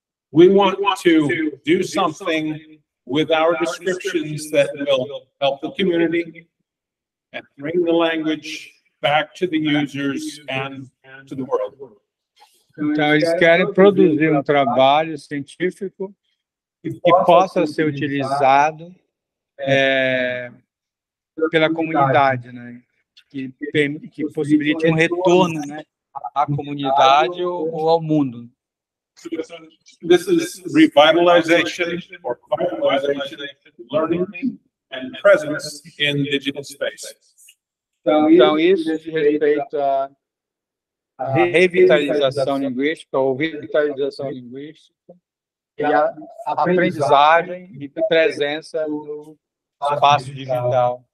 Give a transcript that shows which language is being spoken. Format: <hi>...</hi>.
<en>We want to do something with our descriptions that will help the community and bring the language back to the users and to the world.</en> <pt>Então, eles querem produzir um trabalho científico que possa ser utilizado pela comunidade, né? Que possibilite um retorno, né, à comunidade ou ao mundo.</pt> <en>This is revitalization or vitalization, learning and presence in digital space.</en> <pt>Então, isso diz respeito à revitalização linguística ou revitalização linguística e à aprendizagem e presença no espaço digital.</pt>